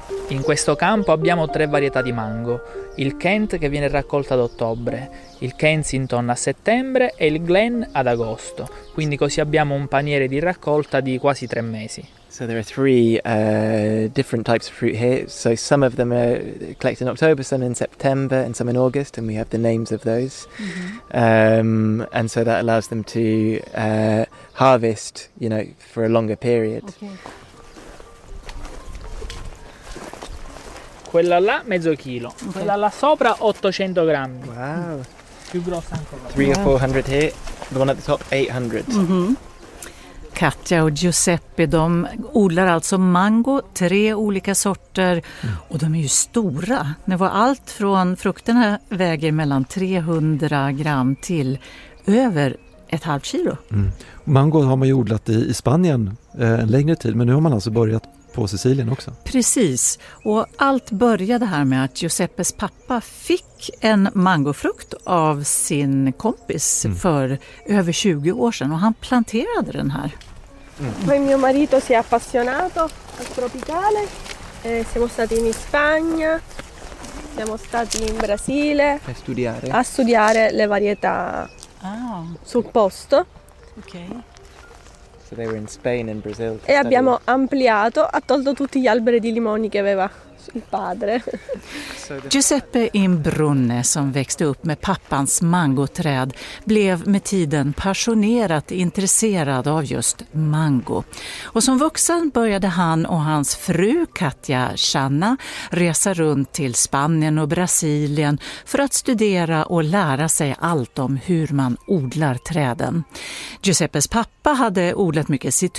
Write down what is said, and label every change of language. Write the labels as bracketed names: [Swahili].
[Italian] In questo campo abbiamo tre varietà di mango, il Kent che viene raccolto ad ottobre, il Kensington a settembre e il Glen ad agosto. Quindi così abbiamo un paniere di raccolta di quasi tre mesi. [English] So there are three different types of fruit here. So some of them are collected in October, some in September and some in August, and we have the names of those. And so that allows them to harvest, you know, for a longer period. Okay. [Italian] Quella là mezzo chilo, quella là sopra 800 grammi. Wow. Più grossa ancora. [English] 300 or 400 here, the one at the top 800. [Swedish] Katja och Giuseppe, de odlar alltså mango, tre olika sorter. Och de är ju stora. Det var allt från frukterna väger mellan 300 gram till över ett halvt kilo. Mango har man ju odlat i Spanien en längre tid, men nu har man alltså börjat på Sicilien också. Precis, och allt började här med att Giuseppes pappa fick en mangofrukt av sin kompis för över 20 år sedan, och han planterade den här. [Italian] Poi mio marito si è appassionato al tropicale. Siamo stati in Spagna. Siamo stati in Brasile a studiare le varietà sul posto. Ok. [English] So they were in Spain and Brazil. [Italian] E abbiamo ampliato, ha tolto tutti gli alberi di limoni che aveva il padre. [Swedish] Giuseppe Imbrunne, som växte upp med pappans mangoträd, blev med tiden passionerat intresserad av just mango. Och som vuxen började han och hans fru Katja Channa resa runt till Spanien och Brasilien för att studera och lära sig allt om hur man odlar träden. Giuseppes pappa hade odlat mycket citron.